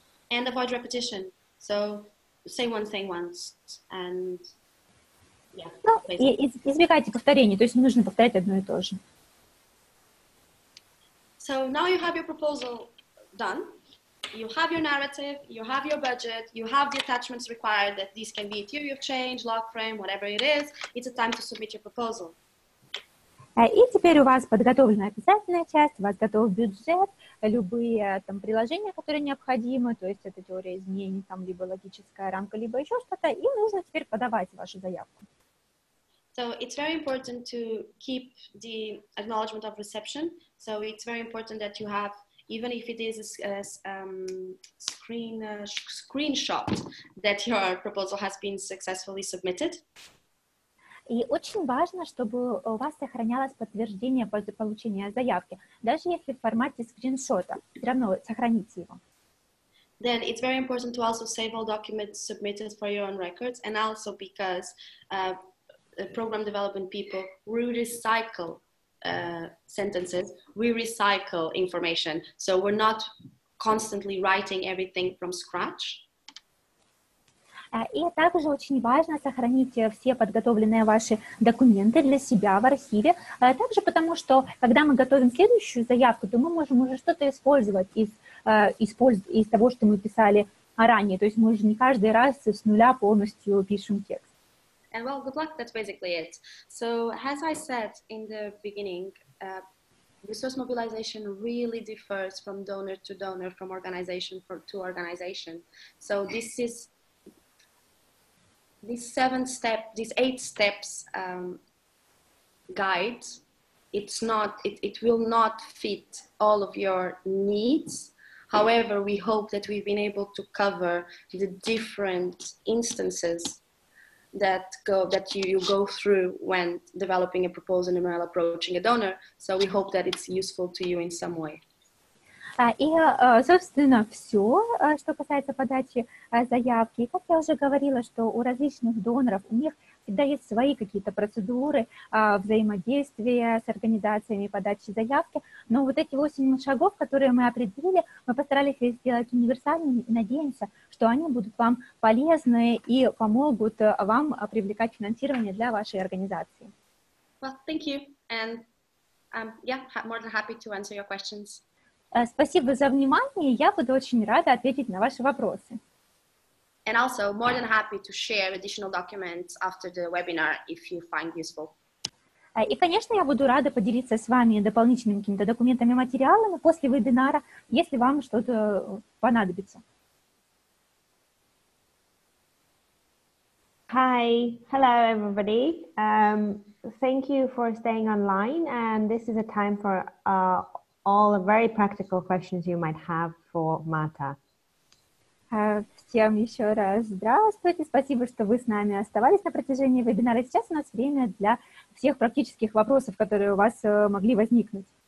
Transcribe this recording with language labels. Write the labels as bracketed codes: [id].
[en] And avoid repetition. So say one thing once and yeah. [ru] Ну, и избегайте повторений, то есть не нужно повторять одно и то же. [en] So now you have your proposal. Done. You have your narrative, you have your budget, you have the attachments required that this can be a theory of change, log frame, whatever it is. It's a time to submit your proposal. [ru] И теперь у вас подготовлена обязательная часть, у вас готов бюджет, любые там приложения, которые необходимы, то есть это теория изменений, там либо логическая рамка, либо еще что-то, и нужно теперь подавать вашу заявку. [en] So it's very important to keep the acknowledgement of reception. So it's very important that you have even if it is a screenshot that your proposal has been successfully submitted. [ru] И очень важно, чтобы у вас сохранялось подтверждение после получения заявки, даже если в формате скриншота, все равно сохраните его. [en] Then it's very important to also save all documents submitted for your own records, and also because program development people recycle sentences, we recycle information, so we're not constantly writing everything from scratch. [ru] И также очень важно сохранить все подготовленные ваши документы для себя в архиве, также потому что, когда мы готовим следующую заявку, то мы можем уже что-то использовать из того, что мы писали ранее, то есть мы уже не каждый раз с нуля полностью пишем текст. [en] And well, good luck, that's basically it. So as I said in the beginning, resource mobilization really differs from donor to donor, from organization to organization. So this is, this eight steps guide, it will not fit all of your needs. However, we hope that we've been able to cover the different instances that you go through when developing a proposal and while approaching a donor. So we hope that it's useful to you in some way. [ru] Собственно, все, что касается подачи заявки. Как я уже говорила, что у различных доноров, у них всегда есть свои какие-то процедуры взаимодействия с организациями подачи заявки. Но вот эти 8 шагов, которые мы определили, мы постарались их сделать универсальными и надеемся, что они будут вам полезны и помогут вам привлекать финансирование для вашей организации. [en] Well, thank you. And yeah, more than happy to answer your questions. [ru] Спасибо за внимание. Я буду очень рада ответить на ваши вопросы. [en] And also more than happy to share additional documents after the webinar if you find useful. [ru] И, конечно, я буду рада поделиться с вами дополнительными какими-то документами, материалами после вебинара, если вам что-то понадобится. [en] Hi, hello everybody. Thank you for staying online, and this is a time for all the very practical questions you might have for Marta. [ru] всем еще раз здравствуйте. Спасибо, что вы с нами оставались на протяжении вебинара. Сейчас у нас время для всех практических вопросов, которые у вас могли возникнуть.